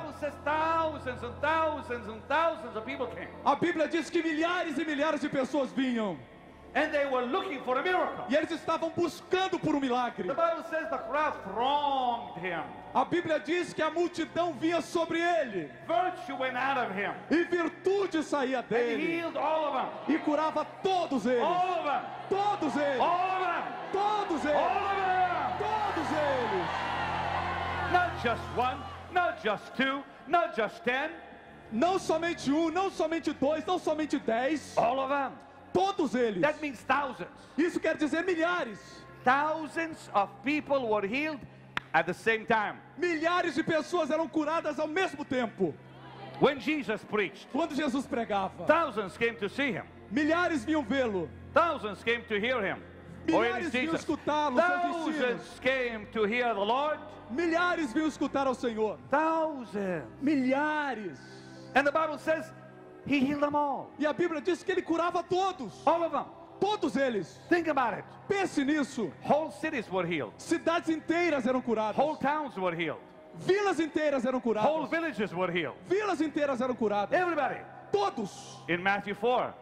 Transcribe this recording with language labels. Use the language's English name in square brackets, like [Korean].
[English] The Bible says thousands and thousands and thousands of people came. [Portuguese] A Bíblia diz que milhares e milhares de pessoas vinham. [English] And they were looking for a miracle. [Portuguese] E eles estavam buscando por um milagre. [English] The Bible says the crowd thronged him. [Portuguese] A Bíblia diz que a multidão vinha sobre ele. [English] Virtue went out of him. [Portuguese] E virtude saía dele. [English] And healed all of them. [Portuguese] E curava todos eles. [English] All of them. [Portuguese] Todos eles. [English] All of them. [Portuguese] Todos eles. [English] All of them. [Portuguese] Todos eles. [English] Not just one, not just two, not just ten. [Portuguese] Não somente um, não somente dois, não somente dez. [English] All of them. [Portuguese] Todos eles. [English] That means thousands. [Portuguese] Isso quer dizer milhares. [English] Thousands of people were healed at the same time. [Portuguese] Milhares de pessoas eram curadas ao mesmo tempo. [English] When Jesus preached, [Portuguese] quando Jesus pregava, [English] thousands came to see him. [Portuguese] Milhares vinham vê-lo. [English] Thousands came to hear him. [Portuguese] Milhares vinham escutá-lo. [English] Thousands came to hear the Lord. [Portuguese] Milhares vinham escutar ao Senhor. [English] Thousands. [Portuguese] Milhares. [English] And the Bible says he healed them all. [Portuguese] E a Bíblia diz que ele curava todos. [English] All of them. [Portuguese] Todos eles. [English] Think about it. [Portuguese] Pense nisso. [English] Whole cities were healed. [Portuguese] Cidades inteiras eram curadas. [English] Whole towns were healed. [Portuguese] Vilas inteiras eram curadas. [English] Whole villages were healed. [Portuguese] Vilas inteiras eram curadas. [English] Everybody. [Portuguese] todos. [English] In Matthew 4.